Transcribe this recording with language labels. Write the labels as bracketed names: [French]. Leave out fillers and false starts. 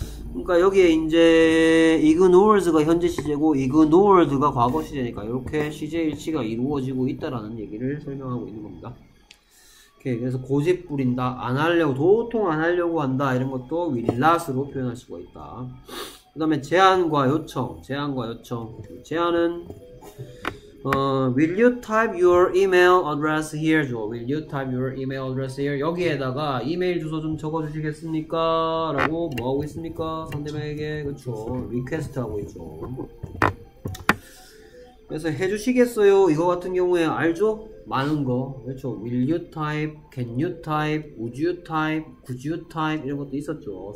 [Korean] 그러니까 여기에 이제 ignores가 현재 시제고 ignored가 과거 시제니까 이렇게 시제 일치가 이루어지고 있다라는 얘기를 설명하고 있는 겁니다. 오케이, 그래서 고집 부린다, 안 하려고 도통 안 하려고 한다 이런 것도 will not으로 표현할 수가 있다. 그다음에 제안과 요청. 제안은 [English] will you type your email address here? Will you type your email address here? [Korean] 여기에다가 이메일 주소 좀 적어주시겠습니까? 라고 뭐하고 있습니까? 상대방에게 그쵸 리퀘스트하고 있죠. 그래서 해주시겠어요? 이거 같은 경우에 알죠? 많은 거 그렇죠. [English] Will you type? Can you type? [Korean] Would you type? Could you type? 이런 것도 있었죠.